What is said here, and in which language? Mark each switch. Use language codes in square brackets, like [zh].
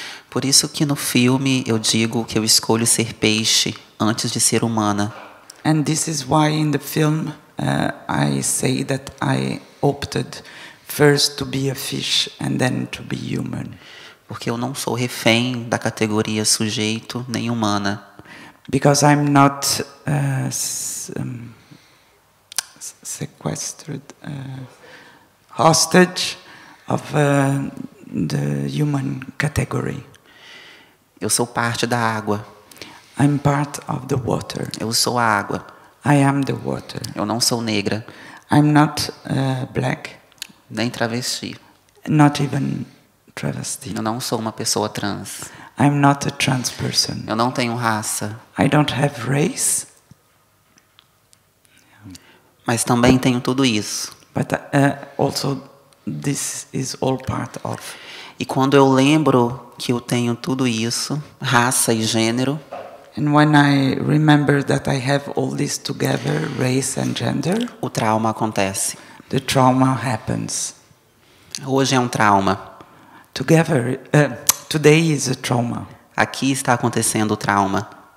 [pt] Por isso que no filme eu digo que eu escolho ser peixe antes de ser humana. [en] And this is why in the film I say that I opted first to be a fish and then to be human. [pt] Porque eu não sou refém da categoria sujeito nem humana. [en] Because I'm not sequestered, hostage of the human category. [pt] Eu sou parte da água. [en] I'm part of the water. [pt] Eu sou a água. [en] I am the water. [pt] Eu não sou negra. [en] I'm not black. [pt] Nem travesti. [en] Not even travesti. [pt] Eu não sou uma pessoa trans. [en] I'm not a trans person. [pt] Eu não tenho raça. [en] I don't have race. [pt] Mas também tenho tudo isso. [en] But also this is all part of. [pt] E quando eu lembro que eu tenho tudo isso, raça e gênero. [en] And when I remember that I have all this together, race and gender. [pt] O trauma acontece. [en] The trauma happens. [pt] Hoje é um trauma. [en] Together, today is a trauma. [pt] Aqui está acontecendo o trauma.